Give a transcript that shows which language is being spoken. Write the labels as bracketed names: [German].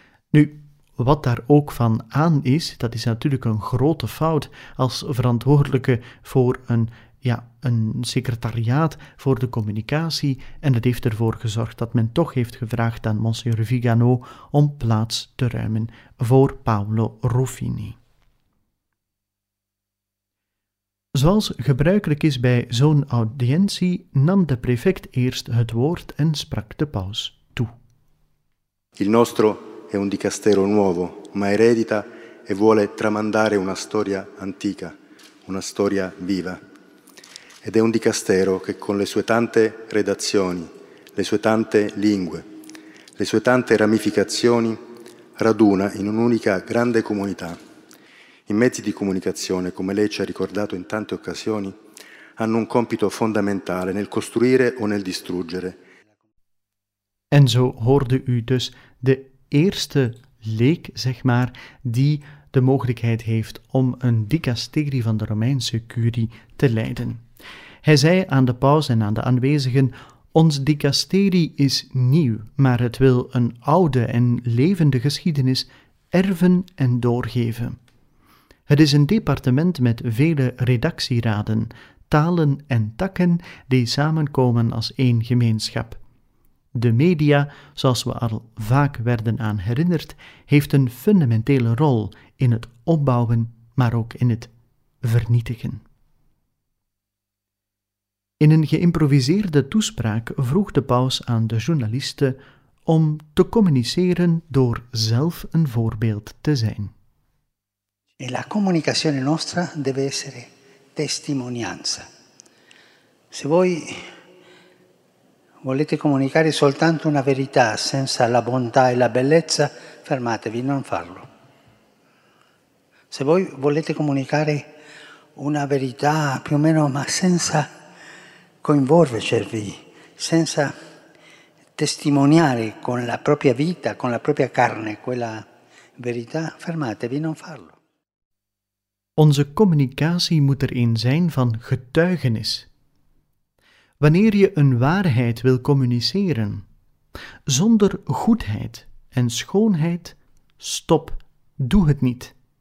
[Dutch] Nu, wat daar ook van aan is, dat is natuurlijk een grote fout als verantwoordelijke voor een secretariaat voor de communicatie, en dat heeft ervoor gezorgd dat men toch heeft gevraagd aan monsieur Vigano om plaats te ruimen voor Paolo Ruffini. Zoals gebruikelijk is bij zo'n audiëntie, nam de prefect eerst het woord en sprak de paus toe. [Italian] Il nostro è un dicastero nuovo, ma eredita e vuole tramandare una storia antica, una storia viva. Ed è un dicastero che con le sue tante redazioni, le sue tante lingue, le sue tante ramificazioni raduna in un'unica grande comunità. I mezzi di comunicazione, come lei ci ha ricordato in tante occasioni, hanno un compito fondamentale nel costruire o nel distruggere. [Dutch] En zo hoorde u dus de eerste leek, zeg maar, die de mogelijkheid heeft om een dicasterie van de Romeinse curie te leiden. Hij zei aan de paus en aan de aanwezigen: ons dicasterie is nieuw, maar het wil een oude en levende geschiedenis erven en doorgeven. Het is een departement met vele redactieraden, talen en takken die samenkomen als één gemeenschap. De media, zoals we al vaak werden aan herinnerd, heeft een fundamentele rol in het opbouwen, maar ook in het vernietigen. In een geïmproviseerde toespraak vroeg de paus aan de journalisten om te communiceren door zelf een voorbeeld te zijn. [Italian] E la comunicazione nostra deve essere testimonianza. Se voi volete comunicare soltanto una verità senza la bontà e la bellezza, fermatevi, non farlo. Se voi volete comunicare una verità più o meno ma senza coinvolgervi, senza testimoniare con la propria vita, con la propria carne, quella verità, fermatevi, non farlo. [Dutch] Onze communicatie moet er een zijn van getuigenis. Wanneer je een waarheid wil communiceren, zonder goedheid en schoonheid, stop, doe het niet.